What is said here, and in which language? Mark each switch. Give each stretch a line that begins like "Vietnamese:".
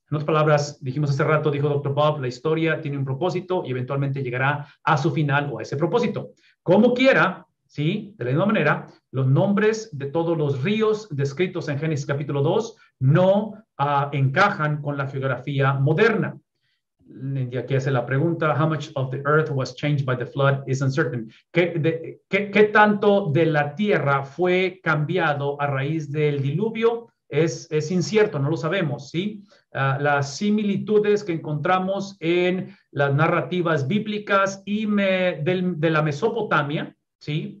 Spanish: En otras palabras, dijimos hace rato, dijo Dr. Bob, la historia tiene un propósito y eventualmente llegará a su final o a ese propósito. Como quiera, ¿sí? De la misma manera, los nombres de todos los ríos descritos en Génesis capítulo 2 no encajan con la geografía moderna. Y aquí hace la pregunta,
English: how much of the earth was changed by the flood is uncertain.
Spanish: ¿Qué tanto de la tierra fue cambiado a raíz del diluvio? Es incierto, no lo sabemos, ¿sí? Las similitudes que encontramos en las narrativas bíblicas y de la Mesopotamia, ¿sí?